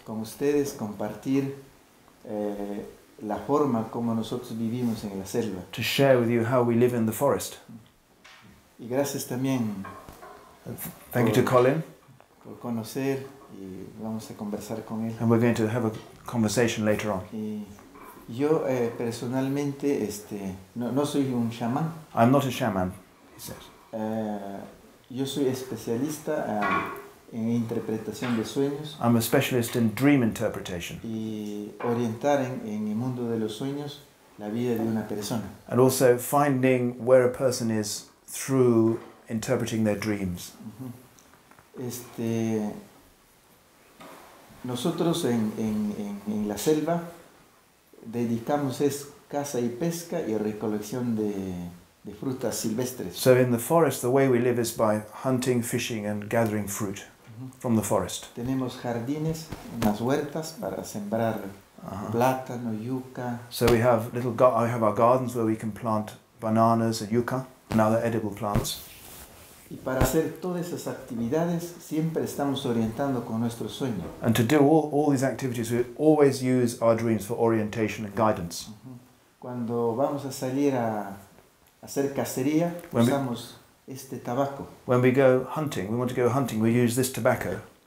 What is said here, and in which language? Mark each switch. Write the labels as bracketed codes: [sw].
[es] con ustedes compartir la forma como nosotros vivimos en la selva, [en] to share with you how we live in the forest. [es] Y gracias también. [en] Thank you to Colin [es] por conocer, y vamos a conversar con él. [en] And we're going to have a conversation later on. [es] Y yo personalmente, no soy un chamán. [en] I'm not a shaman, he said. [es] Yo soy especialista en interpretación de sueños. [en] I'm a specialist in dream interpretation. [es] Y orientar en el mundo de los sueños la vida de una persona. [en] And also finding where a person is through interpreting their dreams. Uh-huh. [es] Nosotros en la selva dedicamos caza y pesca y recolección de frutas silvestres. [en] So in the forest, the way we live is by hunting, fishing, and gathering fruit from the forest. [es] Tenemos jardines, unas huertas para sembrar plátano, yuca. [en] So we have little our gardens where we can plant bananas and yuca and other edible plants. [es] Y para hacer todas esas actividades siempre estamos orientando con nuestro sueño. [en] And to do all these activities, we always use our dreams for orientation and guidance. [es] Cuando vamos a salir a hacer cacería, usamos este tabaco. [en] When we go hunting, we want to go hunting, we use this tobacco.